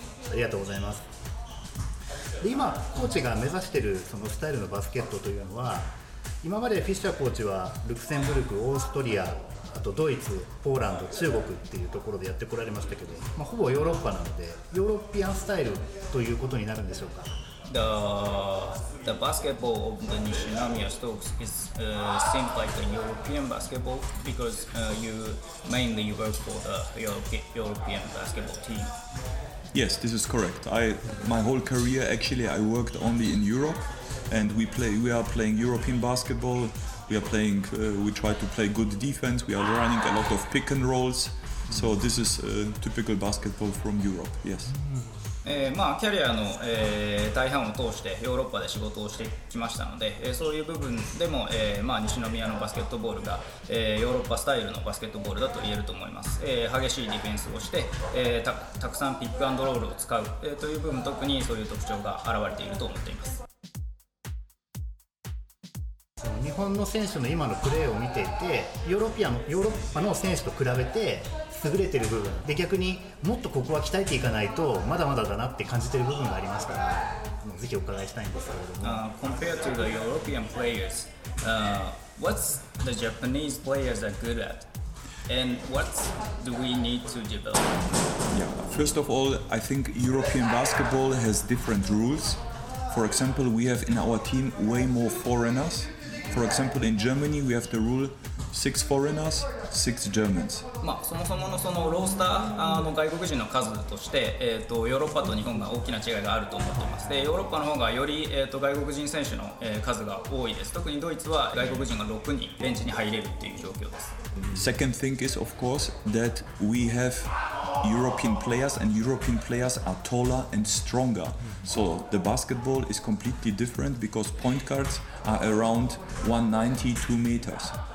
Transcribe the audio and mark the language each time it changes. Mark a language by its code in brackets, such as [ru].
[ja] ありがとうございます。で今コーチが目指しているそのスタイルのバスケットというのは今までフィッシャーコーチはルクセンブルク、オーストリア、あとドイツ、ポーランド、中国っていうところでやってこられましたけど、まあ、ほぼヨーロッパなのでヨーロッピアンスタイルということになるんでしょうか。 [en] The basketball of the Nishinomiya Stokes is seems like a European basketball because you mainly work for the European basketball team. Yes, this is correct. My whole career actually I worked only in Europe, and we are playing European basketball. We try to play good defense. We are running a lot of pick and rolls. So this is typical basketball from Europe. Yes. [ja] キャリアの、大半を通してヨーロッパで仕事をしてきましたので、そういう部分でも、西宮のバスケットボールが、ヨーロッパスタイルのバスケットボールだと言えると思います。激しいディフェンスをして、たくさんピックアンドロールを使う、という部分特にそういう特徴が現れていると思っています。日本の選手の今のプレーを見ていてヨーロッパの選手と比べて優れてる部分で逆にもっとここは鍛えていかないとまだまだだなって感じてる部分がありますからもうぜひお伺いしたいんですけれども [en] compared to the European players what's the Japanese players are good at and what do we need to develop? Yeah, first of all I think European basketball has different rules. For example, we have in our team way more foreigners. For example, in Germany we have the rule six foreigners. Six Germans. [ja] まあ、そもそもの そのロースターの外国人の数として、ヨーロッパと日本が大きな違いがあると思っています。でヨーロッパの方がより、外国人選手の、数が多いです。特にドイツは外国人が6人ベンチに入れるという状況です。 [en] Second thing is of course that we have European players and European players are taller and stronger. So the basketball is completely different because point guards are around 192 meters.